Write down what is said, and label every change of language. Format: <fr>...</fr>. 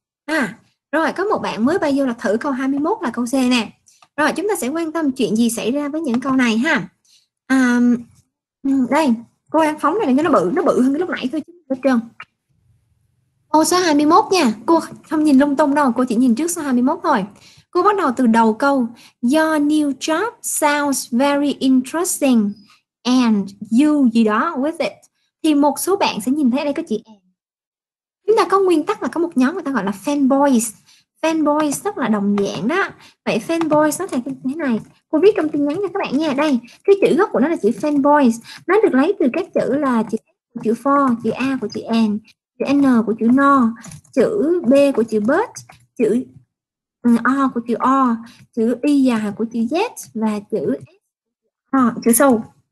<vi>À, rồi có một bạn mới bao vô là thử câu 21 là câu C nè. Rồi chúng ta sẽ quan tâm chuyện gì xảy ra với những câu này ha. À, đây, cô ăn phóng này cho nó bự hơn cái lúc nãy thôi chứ. Trơn. Câu số 21 nha, cô không nhìn lung tung đâu, cô chỉ nhìn trước số 21 thôi. Cô bắt đầu từ đầu câu.</vi> <en>Your new job sounds very interesting and you</en> <vi>gì đó</vi> <en>with it.</en> <vi>Thì một số bạn sẽ nhìn thấy đây có chữ and. Chúng ta có nguyên tắc là có một nhóm người ta gọi là fanboys. fanboys rất là đồng dạng đó. Vậy fanboys nó thành thế này, cô viết trong tin nhắn cho các bạn nha. Đây, cái chữ gốc của nó là chữ fanboys, nó được lấy từ các chữ là chữ for, chữ a của chữ and, chữ n của chữ no, chữ b của chữ but, chữ o của chữ or, chữ y dài của chữ z và chữ s chữ sâu.</vi>